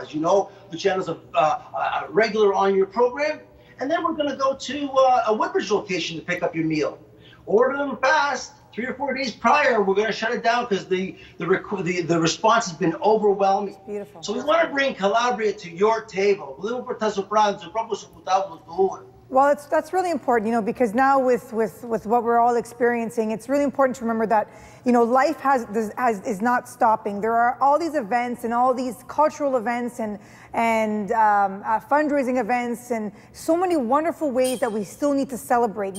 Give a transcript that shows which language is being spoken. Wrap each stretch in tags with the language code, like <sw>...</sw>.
<en>As you know, Luciano's a regular on your program. And then we're going to go to a Woodbridge location to pick up your meal. Order them fast. 3 or 4 days prior, we're going to shut it down because the response has been overwhelming. It's beautiful. So we want to bring Calabria to your table.</en> <it>Volevo portare sul pranzo proprio su tavolo tuo.</it> <en>Well, that's really important, you know, because now with what we're all experiencing, it's really important to remember that, you know, life is not stopping. There are all these events and all these cultural events and fundraising events and so many wonderful ways that we still need to celebrate.</en>